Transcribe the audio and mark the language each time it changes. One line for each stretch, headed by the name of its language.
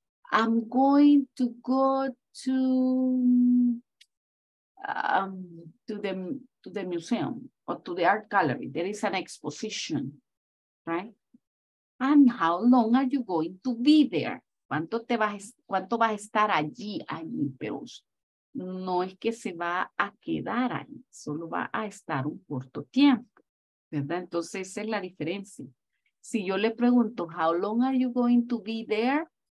English: I'm going to go to the museum or to the art gallery. There is an exposition, right? And how long are you going to be there?
Spanish: ¿Cuánto vas a estar allí? Pero no es que se va a quedar ahí, solo va a estar un corto tiempo. ¿Verdad? Entonces esa es la diferencia. Si yo le pregunto,
English: how long are you going to be there?